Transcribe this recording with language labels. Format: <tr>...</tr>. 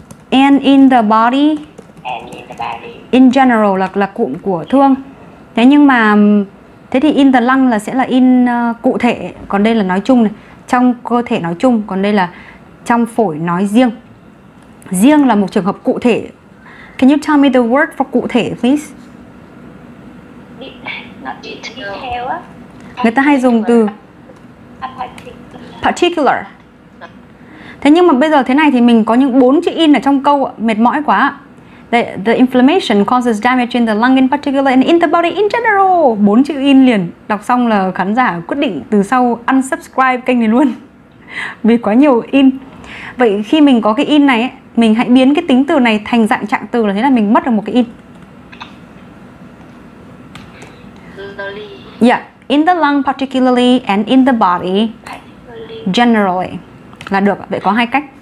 <en>And in the body. And in the body.</en> <vi>In general là cụm của Thương. Thế nhưng mà thế thì</vi> <en>in the lung</en> <vi>là sẽ là in cụ thể, còn đây là nói chung này, trong cơ thể nói chung, còn đây là trong phổi nói riêng. Riêng là một trường hợp cụ thể.</vi> <en>Can you tell me the word for cụ thể, please? Not detail.</en> <vi>Người ta hay dùng từ</vi> <en>particular.</en> <vi>Thế nhưng mà bây giờ thế này thì mình có những 4 chữ in ở trong câu, mệt mỏi quá.</vi> <en>The inflammation causes damage in the lung in particular and in the body in general.</en> <vi>4 chữ in liền. Đọc xong là khán giả quyết định từ sau unsubscribe kênh này luôn. Vì quá nhiều in. Vậy khi mình có cái in này ấy, mình hãy biến cái tính từ này thành dạng trạng từ, là thế là mình mất được một cái in.</vi> <en>Yeah, in the lung particularly and in the body generally.</en> <vi>Là được, vậy có hai cách.</vi>